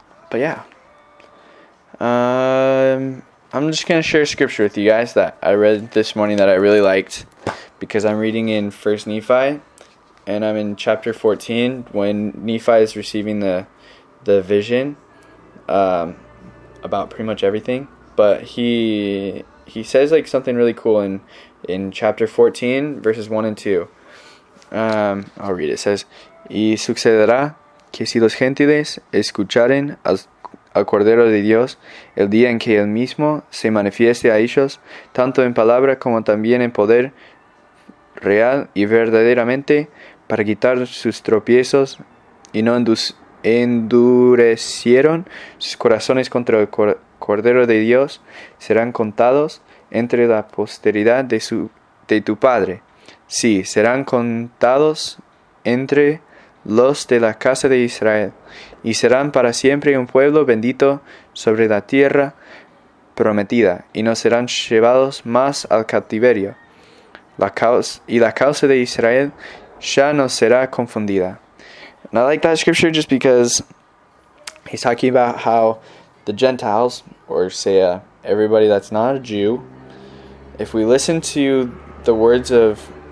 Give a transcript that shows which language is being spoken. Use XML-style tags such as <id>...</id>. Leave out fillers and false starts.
<en>But yeah. I'm just going to share a scripture with you guys that I read this morning that I really liked, because I'm reading in 1 Nephi, and I'm in chapter 14 when Nephi is receiving the vision about pretty much everything. But he says like something really cool in chapter 14, verses 1 and 2. I'll read it. It says,</en> <es>y sucederá que si los gentiles escucharen al Cordero de Dios el día en que él mismo se manifieste a ellos, tanto en palabra como también en poder real y verdaderamente, para quitar sus tropiezos y no endurecieron sus corazones contra el Cordero de Dios, serán contados entre la posteridad de tu padre. Sí, serán contados entre los de la casa de Israel, y serán para siempre un pueblo bendito sobre la tierra prometida, y no serán llevados más al cautiverio. La causa de Israel ya no será confundida.</es> <en>And I like that scripture just because he's talking about how the Gentiles, or say everybody that's not a Jew, if we listen to the words of</en>